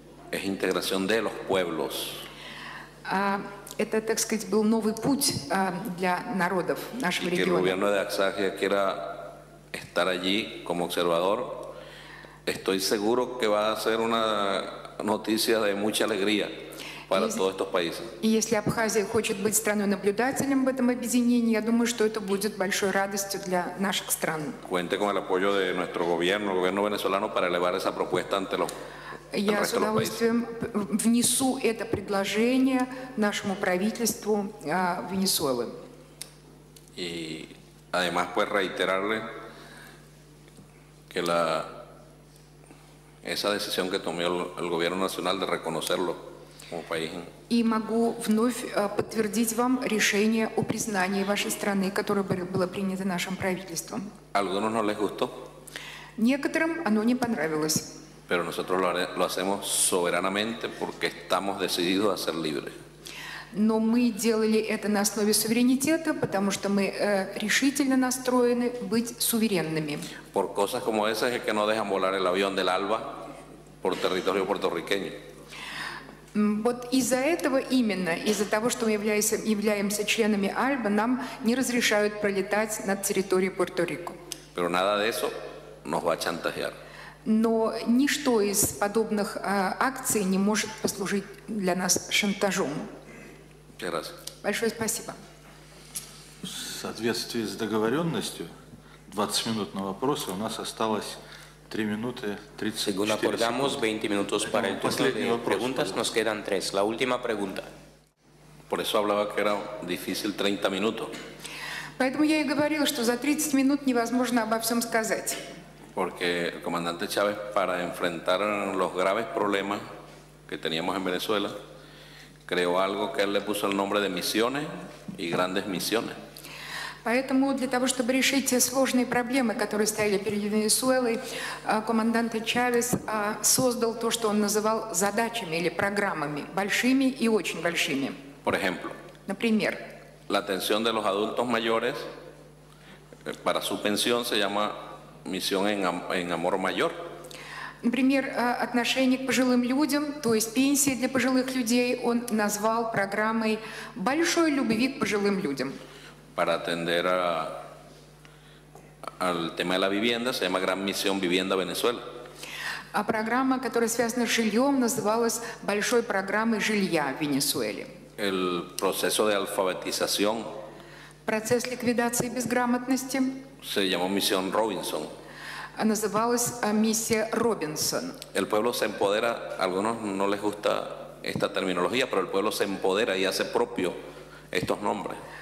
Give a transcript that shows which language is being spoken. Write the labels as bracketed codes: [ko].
[es] Es integración de los pueblos. [ru] Это, так сказать, был новый путь для народов нашего региона. [es] Que el gobierno de Axarquía quiera estar allí como observador, estoy seguro que va a ser una noticia de mucha alegría para todos estos países. [ru] И если Абхазия хочет быть страной-наблюдателем в этом объединении, я думаю, что это будет большой радостью для наших стран. [es] Cuente con el apoyo de nuestro gobierno, el gobierno venezolano, para elevar esa propuesta ante los [ru] Я с удовольствием внесу это предложение нашему правительству Венесуэлы. [es] И, además, pues reiterarle que la esa decisión que tomó el gobierno nacional de reconocerlo como país. [ru] И могу вновь подтвердить вам решение о признании вашей страны, которое было принято нашим правительством. [es] Algunos no les gustó. [ru] Некоторым оно не понравилось. [es] Pero nosotros lo hacemos soberanamente porque estamos decididos a ser libres. [ru] Но мы делали это на основе суверенитета, потому что мы решительно настроены быть суверенными. [es] Por cosas como esas es que no dejan volar el avión del Alba por territorio puertorriqueño. [ru] Вот из-за этого именно, из-за того, что мы являемся членами Альба, нам не разрешают пролетать над территорией Пуэрто-Рико. [es] Pero nada de eso nos va a chantajear. [ru] Но ничто из подобных акций не может послужить для нас шантажом. Большое спасибо. В соответствии с договоренностью, 20 минут на вопросы, у нас осталось 3 минуты 34 секунды. [es] Según acordamos, 20 minutos para el turno de preguntas, nos quedan 3. La última pregunta. Por eso hablaba que era difícil 30 minutos. [ru] Поэтому я и говорила, что за 30 минут невозможно обо всем сказать. [es] Porque el comandante Chávez, para enfrentar los graves problemas que teníamos en Venezuela, creó algo que él le puso el nombre de misiones y grandes misiones. [ru] Поэтому для того, чтобы решить те сложные проблемы, которые стояли перед Венесуэлой, командант Чавес создал то, что он называл задачами или программами, большими и очень большими. [es] Por ejemplo. [ru] Например. [es] La atención de los adultos mayores para su pensión se llama Misión en amor mayor. [ru] Например, отношение к пожилым людям, то есть пенсия для пожилых людей, он назвал программой большой любви к пожилым людям. [es] Para atender al tema de la vivienda se llama Gran Misión Vivienda Venezuela. [ru] А программа, которая связана с жильем, называлась Большой программой жилья в Венесуэле. [es] El proceso de alfabetización. [ru] Процесс ликвидации безграмотности. [es] Se llamó Misión Robinson. [ru] Называлась миссия Робинсон. [es] El pueblo se empodera, algunos no les gusta esta terminología, pero el pueblo se empodera y hace propio estos nombres.